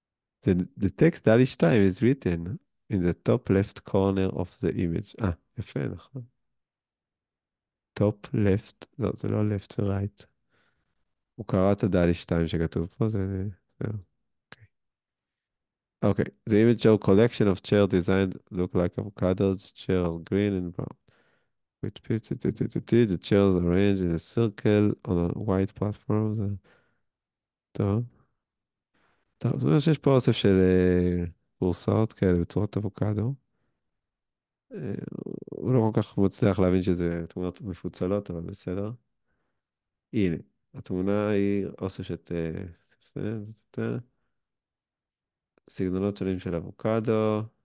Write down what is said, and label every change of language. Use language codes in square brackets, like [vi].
[en] The text Dali 2 is written in the top left corner of the image. [he] אה, יפה, נכון. [en] Top left, [he] לא, זה לא left, זה right. הוא קרא את הדלי 2 שכתוב פה, זה... אוקיי. [en] אוקיי, the image show collection of chair designed look like avocados, chair are green and brown. With the chairs arranged in a circle on a white platform. טוב. [he] טוב, זאת אומרת שיש פה אוסף של קורסאות כאלה בצורת אבוקדו. הוא לא כל כך מצליח להבין שזה תמונות מפוצלות, אבל בסדר. הנה, התמונה היא אוסף של סגנונות שונים של אבוקדו.